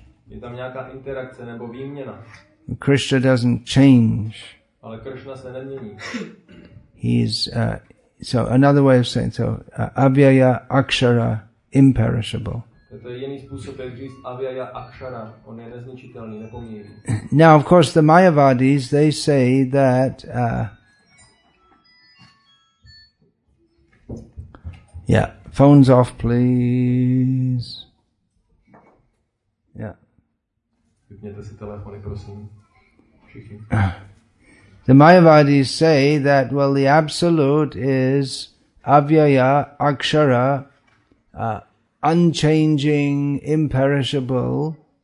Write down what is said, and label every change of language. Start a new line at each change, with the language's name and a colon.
Czech: Je tam nějaká interakce nebo výměna.
English: Krishna doesn't change.
Czech: Ale Krishna se nemění.
English: He's so another way of saying, so avyaya akshara imperishable.
Czech: To je jiný způsob, jak říct avyaya akshara, on je nezničitelný, nepomíjivý.
English: Now of course the Mayavadis, they say that yeah, phones off please. Yeah.
Czech: Vypněte si telefony, prosím.
English: The Mayavadis say that, well, the absolute is avyaya akshara, unchanging, imperishable.